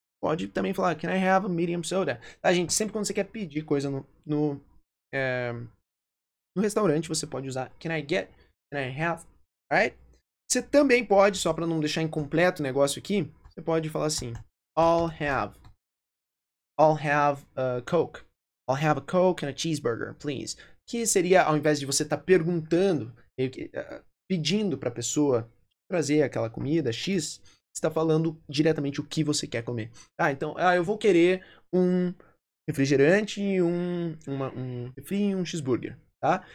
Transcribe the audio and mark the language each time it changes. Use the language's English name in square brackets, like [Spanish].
[Portuguese] Pode também falar [English] can I have a medium soda? [Portuguese] Tá, gente? Sempre quando você quer pedir coisa no restaurante, você pode usar [English] can I get, can I have, right? [Portuguese] Você também pode, só para não deixar incompleto o negócio aqui, você pode falar assim, [English] I'll have a Coke. I'll have a Coke and a cheeseburger, please. [Portuguese] Que seria, ao invés de você estar perguntando, pedindo para a pessoa trazer aquela comida, X, você está falando diretamente o que você quer comer. Tá, então, eu vou querer um refrigerante e um refri e um cheeseburger. Tá?